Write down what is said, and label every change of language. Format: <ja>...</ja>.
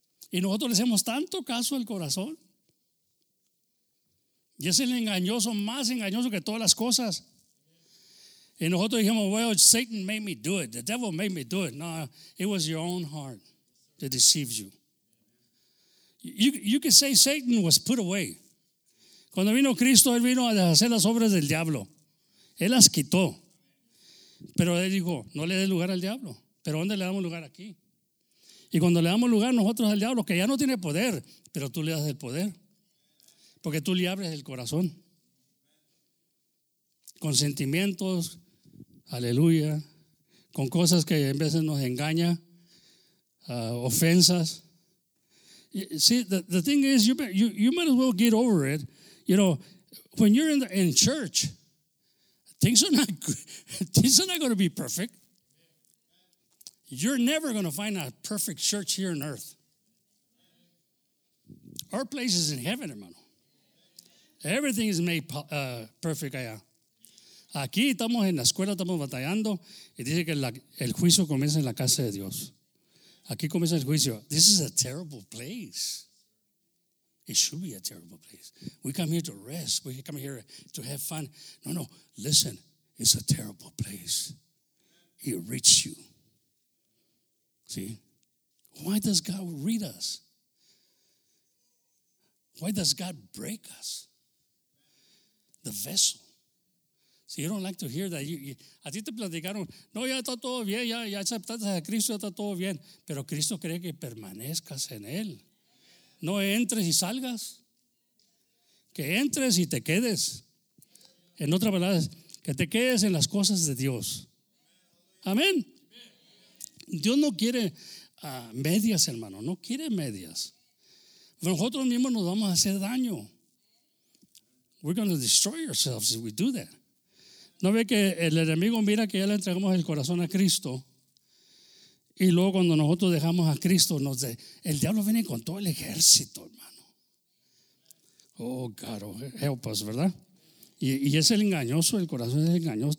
<es>Y nosotros le hacemos tanto caso al corazón. Y es el engañoso, más engañoso que todas las cosas. Y nosotros dijimos,</es> <en>well, Satan made me do it. The devil made me do it. No, it was your own heart that deceived you. You could say Satan was put away.</en> <es>Cuando vino Cristo, él vino a deshacer las obras del diablo. Él las quitó. Pero él dijo, no le dé lugar al diablo. ¿Pero dónde le damos lugar? Aquí. Y cuando le damos lugar nosotros al diablo, que ya no tiene poder, pero tú le das el poder. Porque tú le abres el corazón. Con sentimientos, aleluya. Con cosas que en veces nos engaña, ofensas.</es> <en>See, the thing is, you might as well get over it. You know, when you're in church, things are not going to be perfect. You're never going to find a perfect church here on earth. Our place is in heaven, hermano. Everything is made perfect allá.</en> <es>Aquí estamos en la escuela, estamos batallando, y dice que el juicio comienza en la casa de Dios. Aquí comienza el juicio.</es> <en>This is a terrible place. It should be a terrible place. We come here to rest. We come here to have fun. No, no. Listen, it's a terrible place. It reads you. See? Why does God read us? Why does God break us? The vessel. See, you don't like to hear that.</en> <es>A ti te platicaron, no, ya está todo bien, ya aceptaste a Cristo, ya está todo bien. Pero Cristo cree que permanezcas en Él. No entres y salgas. Que entres y te quedes. En otras palabras, que te quedes en las cosas de Dios. Amén. Dios no quiere medias, hermano. No quiere medias. Nosotros mismos nos vamos a hacer daño.</es> <en>We're going to destroy ourselves if we do that.</en> <es>¿No ve que el enemigo mira que ya le entregamos el corazón a Cristo? Y luego cuando nosotros dejamos a Cristo, el diablo viene con todo el ejército, hermano. Oh, caro,</es> <en>help us,</en> <es>¿verdad? Y es el engañoso, el corazón es el engañoso.</es>